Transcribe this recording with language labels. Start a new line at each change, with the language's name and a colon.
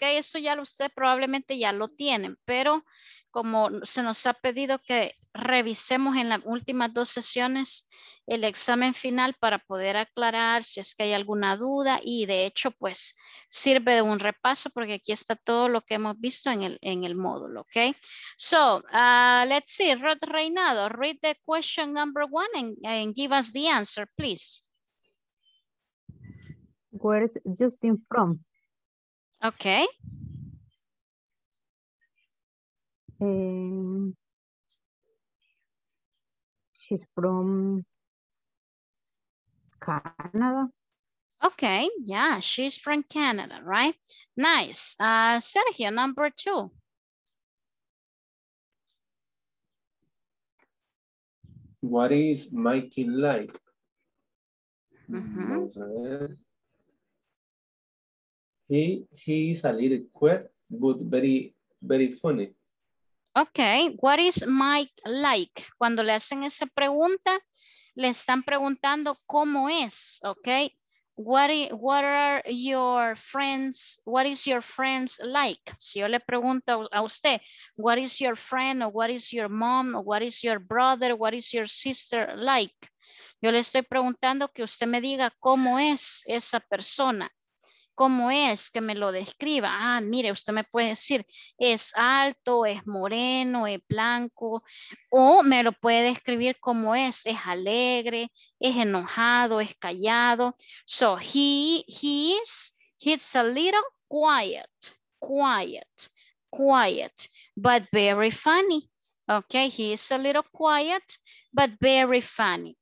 Spanish: Eso ya usted probablemente ya lo tienen, pero como se nos ha pedido que revisemos en las últimas dos sesiones el examen final para poder aclarar si es que hay alguna duda, y de hecho pues sirve de un repaso porque aquí está todo lo que hemos visto en el módulo, ok.
English: So, let's see, Rod Reynado, read the question number one and give us the answer, please. Where is Justin from? Ok. She's from Canada. Okay, yeah, she's from Canada, right? Nice. Sergio, number two. What is Mikey like? Mm-hmm. He is a little quiet, but very, very funny. Okay, what is Mike like?
Spanish: Cuando le hacen esa pregunta, le están preguntando cómo es, okay?
English: What are your friends, what is your friends like?
Spanish: Si yo le pregunto a usted,
English: what is your friend, or what is your mom, or what is your brother, what is your sister like?
Spanish: Yo le estoy preguntando que usted me diga cómo es esa persona. ¿Cómo es? Que me lo describa. Ah, mire, usted me puede decir, es alto, es moreno, es blanco, o me lo puede describir cómo es alegre, es enojado, es callado.
English: So, he's a little quiet, but very funny. Okay, he is a little quiet, but very funny.